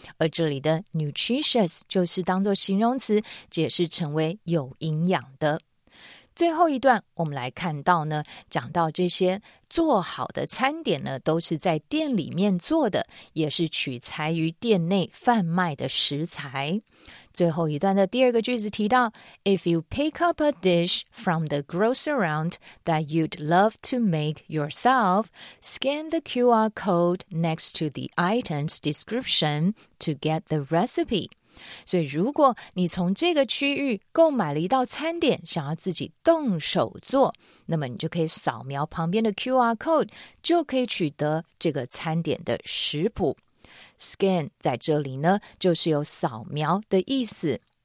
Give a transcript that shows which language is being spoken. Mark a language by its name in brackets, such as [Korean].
[Chinese] 而这里的 nutritious 就是当作形容词解释成为有营养的。最后一段我们来看到呢，讲到这些做好的餐点呢，都是在店里面做的，也是取材于店内贩卖的食材。最后一段的第二个句子提到 [English] If you pick up a dish from the grocerant that you'd love to make yourself, scan the QR code next to the item's description to get the recipe. [Chinese] 所以如果你从这个区域购买了一道餐点，想要自己动手做，那么你就可以扫描旁边的 QR code, 就可以取得这个餐点的食谱。 Scan 在这里呢，就是有扫描的意思。